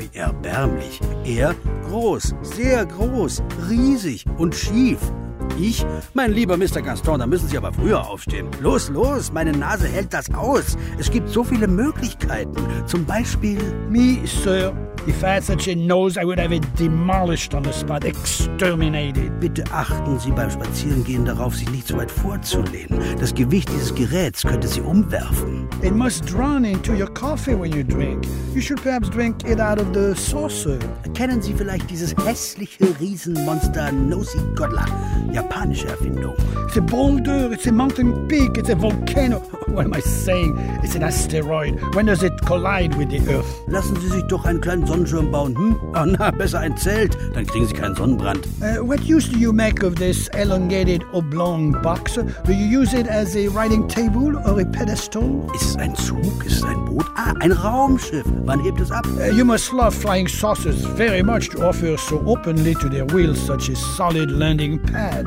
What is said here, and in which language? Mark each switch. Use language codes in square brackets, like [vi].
[de] Wie erbärmlich. Er? Groß, sehr groß, riesig und schief. Ich? Mein lieber Mr. Gaston, da müssen Sie aber früher aufstehen. Los, los, meine Nase hält das aus. Es gibt so viele Möglichkeiten. Zum Beispiel... [en] Me, Sir. If I had such a nose, I would have it demolished on the spot, exterminated. [de] Bitte achten Sie beim Spazierengehen darauf, sich nicht so weit vorzulehnen. Das Gewicht dieses Geräts könnte Sie umwerfen. [en] It must drown into your coffee when you drink. You should perhaps drink it out of the saucer. [de] Kennen Sie vielleicht dieses hässliche Riesenmonster Nosy Godla? Japanische Erfindung. [en] It's a boulder, it's a mountain peak, it's a volcano. What am I saying? It's an asteroid. When does it collide with the Earth? [de] Lassen Sie sich doch einen kleinen Sonnenschirm bauen, hm? Oh, na, besser ein Zelt, dann kriegen Sie keinen Sonnenbrand. [en] What use do you make of this elongated oblong box? Do you use it as a writing table or a pedestal? [de] Ist es ein Zug? Ist es ein Boot? Ah, ein Raumschiff. Wann hebt es ab? [en] You must love flying saucers very much to offer so openly to their wheels such a solid landing pad.